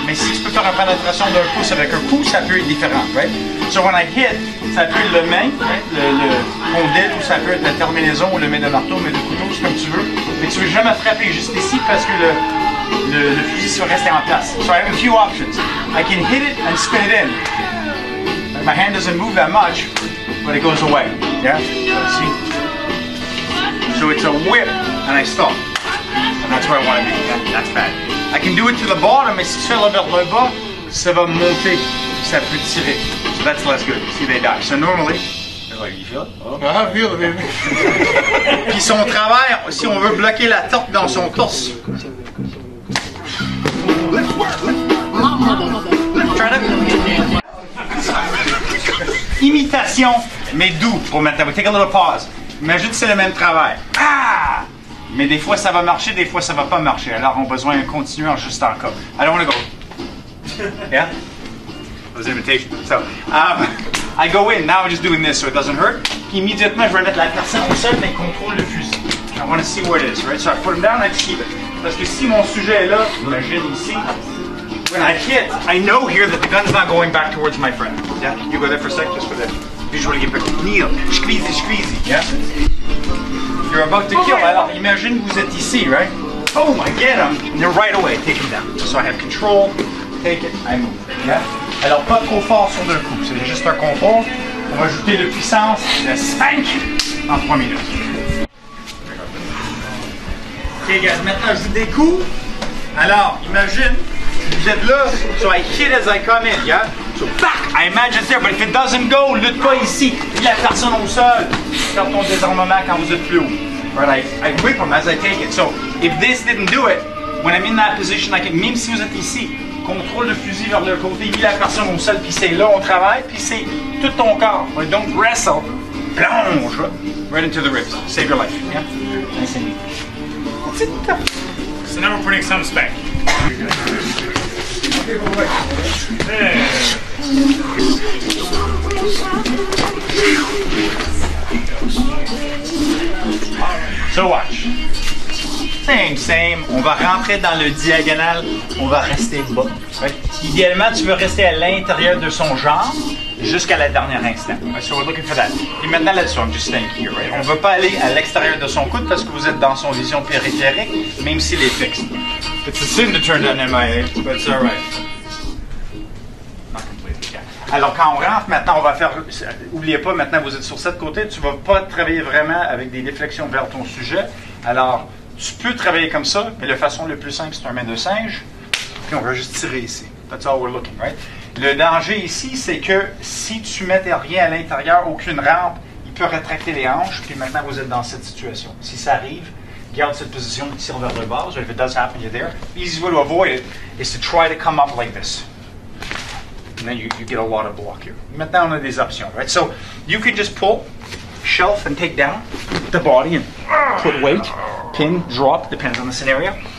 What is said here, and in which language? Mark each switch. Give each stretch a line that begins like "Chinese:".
French: Mais si tu peux faire une pénétration d'un pouce avec un coup, ça peut être différent, right?
English: So when I hit,
French: ça peut être le main, right? Le ton dit, ou ça peut être la terminaison, ou le main de marteau, mais de couteau, c'est comme tu veux. Mais tu veux jamais frapper juste ici parce que le fusil soit resté en place.
English: So I have a few options. I can hit it and spin it in. My hand doesn't move that much, but it goes away. Yeah? See? So it's a whip, and I stop. And that's where I want to be. That's bad. I can do it to the bottom,
French: mais si tu fais vers le bas, ça va monter. Ça peut tirer.
English: So that's less good. See, they die. So normally,
French: puis son travail, si on veut bloquer la torque dans son corps. Imitation, mais doux. Pour mettre,
English: we take a little pause.
French: Imagine que c'est le même travail. Ah! Mais des fois ça va marcher, des fois ça va pas marcher. Alors on a besoin de continuer juste en cas.
English: I don't want to go. Yeah? Those imitations. So, I go in. Now I'm just doing this so it doesn't hurt. Immediately,
French: je vais mettre la personne au sol et contrôle le fusil.
English: I want to see where it is, right? So I put him down and I keep it.
French: Parce que si mon sujet est là, imagine ici.
English: When I hit, I know here that the gun's not going back towards my friend. Yeah? You go there for a sec, just for that. Visually get back. Kneel. Squeezy, squeezy. Yeah? You're about to kill.
French: Alors, imagine vous êtes ici, right?
English: Boom, I get him. And then right away, I take him down. So I have control. Take it. I move. Yeah?
French: Alors, pas trop fort sur deux coups, c'est juste un contrôle. On va ajouter de puissance, le spank, en 3 minutes. Ok, guys, maintenant j'ajoute des coups. Alors, imagine, vous êtes là,
English: so I hit as I come in, yeah? So, back, I imagine it's there, but if it doesn't go, lutte pas ici.
French: Il y a personne au sol. Faire ton désarmement quand vous êtes plus haut.
English: But I whip him as I take it. So, if this didn't do it, when I'm in that position, I can,
French: même si vous êtes ici, contrôle le fusil vers le côté, mis la personne au sol, puis c'est là on travaille, puis c'est tout ton corps.
English: Right? Don't wrestle. Plonge. Right into the ribs. Save your life. Yeah? Nice and neat. So now we're putting some spank. So watch. Same.
French: On va rentrer dans le diagonal, on va rester bas. Right? Idéalement, tu veux rester à l'intérieur de son jambe jusqu'à la dernière instant.
English: Right? So we're looking for that.
French: Et maintenant,
English: let's just staying here. Right?
French: On ne veut pas aller à l'extérieur de son coude parce que vous êtes dans son vision périphérique, même s'il est fixe.
English: It's a sin to turn down MIA, but it's all right.
French: Alors, quand on rentre, maintenant, on va faire... Oubliez pas, maintenant, vous êtes sur cet côté, tu ne vas pas travailler vraiment avec des déflexions vers ton sujet. Alors, tu peux travailler comme ça, mais la façon la plus simple, c'est un main de singe. Puis on va juste tirer ici.
English: That's all we're looking, right?
French: Le danger ici, c'est que si tu mets rien à l'intérieur, aucune rampe, il peut rétracter les hanches. Puis maintenant, vous êtes dans cette situation. Si ça arrive, garde cette position, tire vers le bas.
English: So if it does happen, you're there. The easiest way to avoid it is to try to come up like this. And then you get a lot of block here.
French: Maintenant, on a des options,
English: right? So you can just pull, shelf, and take down the body and put weight, pin, drop, depends on the scenario.